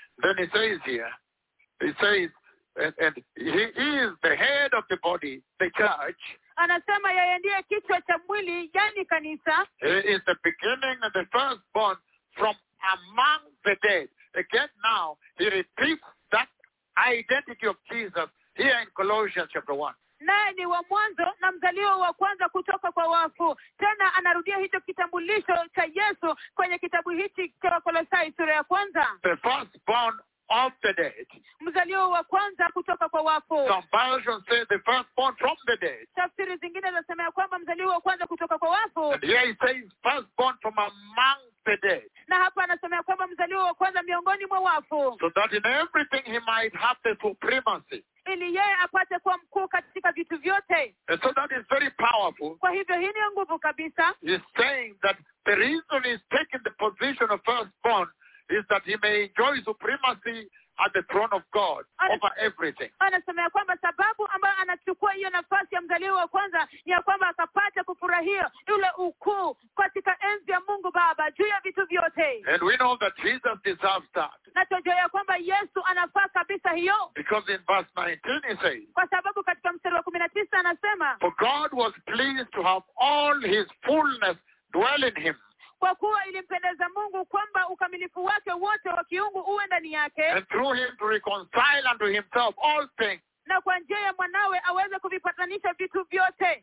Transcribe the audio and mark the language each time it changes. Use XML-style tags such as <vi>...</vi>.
<en>Then he says here, he says, and he is the head of the body, the church.</en> <sw>anasema yeye ndiye kichwa cha mwili, yani kanisa.</sw> <en>He is the beginning and the firstborn from among the dead. Again now, he repeats that identity of Jesus here in Colossians chapter 1.</en> <sw>Naye ni wa mwanzo na mzaliwa wa kwanza kutoka kwa wafu. Tena anarudia hicho kitambulisho cha Yesu kwenye kitabu hichi cha Wakolosai sura ya kwanza.</sw> <en>The firstborn of the dead.</en> <sw>Mzaliwa wa kwanza kutoka kwa wafu.</sw> <en>Some versions say the firstborn from the dead.</en> <sw>Tafsiri zingine zinasema kwamba mzaliwa wa kwanza kutoka kwa wafu.</sw> <en>And here he says firstborn from among the dead.</en> <sw>Na hapa anasema kwamba mzaliwa wa kwanza miongoni mwa wafu.</sw> <en>So that in everything he might have the supremacy.</en> <sw>Ili yeye apate kuwa mkuu katika vitu vyote.</sw> <en>So that is very powerful.</en> <sw>Kwa hivyo hii ni nguvu kabisa.</sw> <en>He's saying that the reason he's taking the position of firstborn is that he may enjoy supremacy at the throne of God over everything.</en> <sw>Anasema kwamba sababu ambayo anachukua hiyo nafasi ya mzaliwa wa kwanza ni kwamba akapata kufurahia yule ukuu katika enzi ya Mungu Baba juu ya vitu vyote.</sw> <en>And we know that Jesus deserves that.</en> <sw>Na tunajua kwamba Yesu anafaa kabisa hiyo.</sw> <en>Because in verse 19 he says,</en> <sw>kwa sababu katika mstari wa 19 anasema,</sw> <en>for God was pleased to have all his fullness dwell in him.</en> <sw>Kwa kuwa ilimpendeza Mungu kwamba ukamilifu wake wote wa kiungu uwe ndani yake.</sw> <en>And through him to reconcile unto himself all things.</en> <sw>Na kwa njia ya mwanawe aweze kuvipatanisha vitu vyote.</sw>